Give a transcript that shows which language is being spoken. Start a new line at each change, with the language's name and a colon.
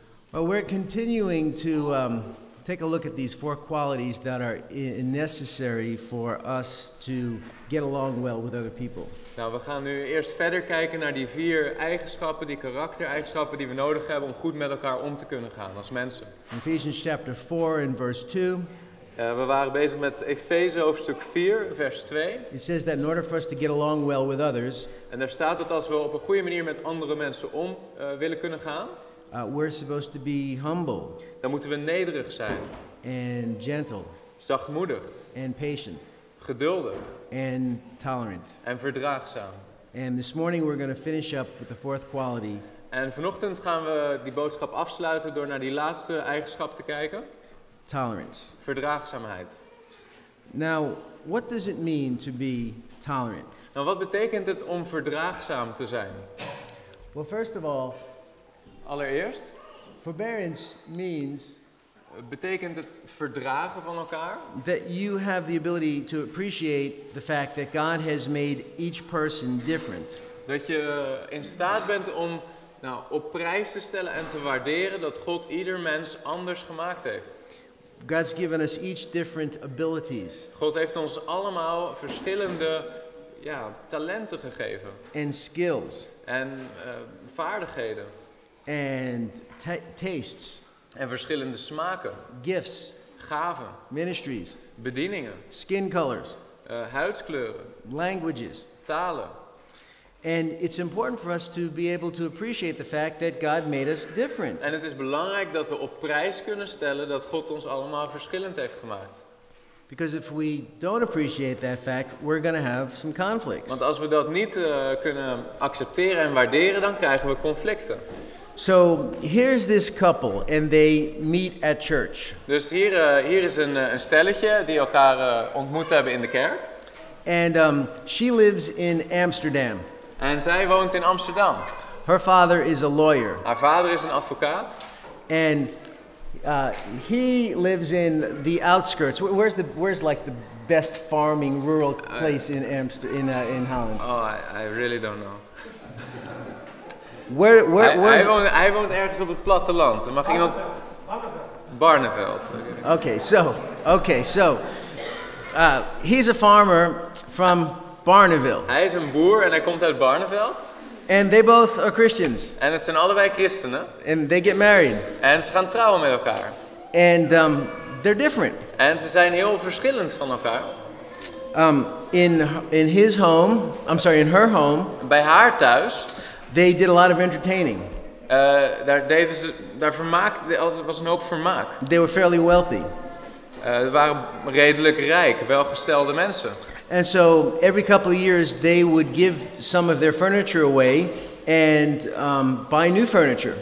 English: Well, we're continuing to take a look at these four qualities that are necessary for us to get along well with other people.
Dutch: Nou, we gaan nu eerst verder kijken naar die vier eigenschappen, die karaktereigenschappen die we nodig hebben om goed met elkaar om te kunnen gaan als mensen.
English: Ephesians chapter 4 and verse 2.
Dutch: We waren bezig met Efeze hoofdstuk 4, vers 2.
English: It says that in order for us to get along well with others,
Dutch: en daar staat dat als we op een goede manier met andere mensen om willen kunnen gaan,
English: we're supposed to be humble.
Dutch: Dan moeten we nederig zijn.
English: And gentle.
Dutch: Zachtmoedig.
English: And patient.
Dutch: Geduldig.
English: And tolerant.
Dutch: En verdraagzaam.
English: And this morning we're going to finish up with the fourth quality.
Dutch: En vanochtend gaan we die boodschap afsluiten door naar die laatste eigenschap te kijken.
English: Tolerance.
Dutch: Verdraagzaamheid.
English: Now, what does it mean to be tolerant?
Dutch: Nou, wat betekent het om verdraagzaam te zijn?
English: Well, first of all,
Dutch: allereerst,
English: forbearance means
Dutch: betekent het verdragen van elkaar?
English: That you have the ability to appreciate the fact that God has made each person different.
Dutch: Dat je in staat bent om nou, op prijs te stellen en te waarderen dat God ieder mens anders gemaakt heeft.
English: God's given us each different abilities.
Dutch: God heeft ons allemaal verschillende ja, talenten gegeven.
English: And skills.
Dutch: En vaardigheden.
English: And tastes.
Dutch: En verschillende smaken.
English: Gifts.
Dutch: Gaven.
English: Ministries.
Dutch: Bedieningen.
English: Skin colors.
Dutch: Huidskleuren.
English: Languages.
Dutch: Talen.
English: And it's important for us to be able to appreciate the fact that God made us different.
Dutch: En het is belangrijk dat we op prijs kunnen stellen dat God ons allemaal verschillend heeft gemaakt.
English: Because if we don't appreciate that fact, we're going to have some conflicts.
Dutch: Want als we dat niet kunnen accepteren en waarderen, dan krijgen we conflicten.
English: So here's this couple and they meet at church.
Dutch: Dus hier is een stelletje die elkaar ontmoet hebben in de kerk.
English: And she lives in Amsterdam.
Dutch: En zij woont in Amsterdam.
English: Her father is a lawyer.
Dutch: Haar vader is een advocaat.
English: And he lives in the outskirts. Where's like the best farming rural place in in Holland? Oh, I really don't know. where's
Dutch: hij woont ergens op het platteland. Mag iemand Barneveld.
English: Okay, so. He's a farmer from Barneville.
Dutch: Hij is een boer en hij komt uit Barneveld.
English: And they both are Christians.
Dutch: En het zijn allebei christenen.
English: And they get married.
Dutch: En ze gaan trouwen met elkaar.
English: And they're different.
Dutch: En ze zijn heel verschillend van elkaar.
English: In her home.
Dutch: Bij haar thuis.
English: They did a lot of entertaining.
Dutch: Was een hoop vermaak.
English: They were fairly wealthy.
Dutch: Ze waren redelijk rijk, welgestelde mensen.
English: And so every couple of years they would give some of their furniture away and buy new furniture.